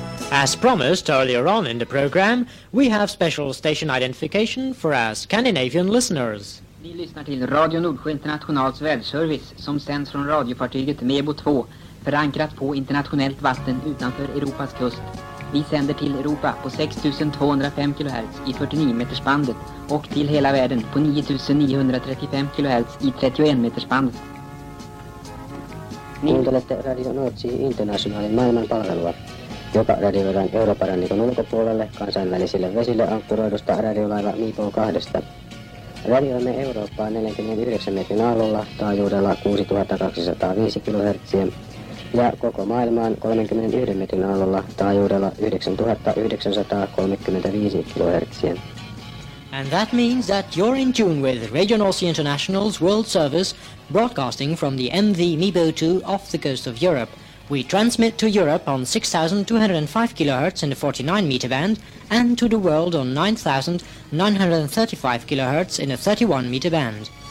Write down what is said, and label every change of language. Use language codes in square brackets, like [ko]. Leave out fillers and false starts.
[en] As promised earlier on in the program, we have special station identification for our Scandinavian listeners. [sv] Ni lyssnar till Radio Nordsjö Internationals väderservice som sänds från radiofartyget Mebo 2, förankrat på internationellt vatten utanför Europas kust. Vi sänder till Europa på 6205 kHz i 49 meters bandet och till hela världen på 9935 kHz i 31 meters bandet. Ni lyssnar till Radio Nordsjö International i maailmanpalvelua. [fi] Joka radiolaivan Euroopan ulkopuolelle kansainvälisille vesille ankkuroidusta radiolaiva Miipo 2. Radioimme Eurooppaa 49 metrin aallolla taajuudella 6205 kHz ja koko maailmaan 31 metrin aallolla taajuudella 9935 kHz. [en] And that means that you're in tune with Radio Nordsee International's World Service broadcasting from the MV Miipo 2 off the coast of Europe. We transmit to Europe on 6,205 kHz in the 49-meter band and to the world on 9,935 kHz in the 31-meter band.